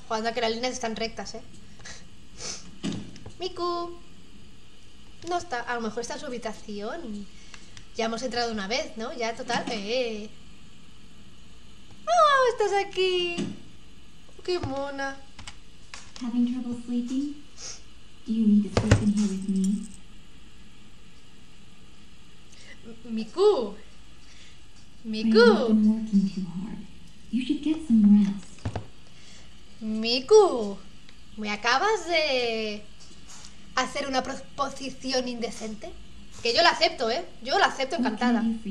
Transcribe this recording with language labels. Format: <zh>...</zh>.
<es>Joder, que las líneas están rectas, ¡Miku! No está... A lo mejor está en su habitación. Ya hemos entrado una vez, ¿no? Ya, total. ¡Oh, estás aquí! ¡Qué mona!</es> <en>¿Having trouble sleeping? Do you need to sleep in here with me? Miku. Too hard. You should get some rest. Miku.</en> <es>¿Me acabas de hacer una proposición indecente? Que yo la acepto, ¿eh? Yo la acepto encantada.</es>